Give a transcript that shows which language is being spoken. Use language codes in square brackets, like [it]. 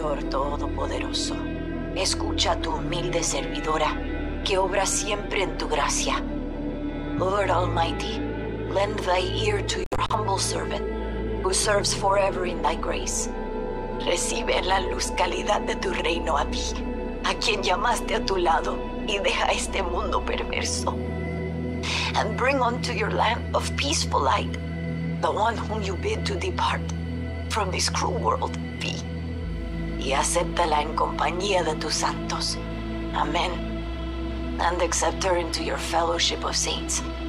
[es] Todopoderoso, escucha a tu humilde servidora que obra siempre en tu gracia. [en] Lord Almighty, lend thy ear to your humble servant who serves forever in thy grace. [es] Recibe la luz calidad de tu reino a mí, a quien llamaste a tu lado y deja este mundo perverso. [en] And bring unto your land of peaceful light the one whom you bid to depart from this cruel world, be. [es] Y acéptala en compañía de tus santos. Amen. [en] And accept her into your fellowship of saints.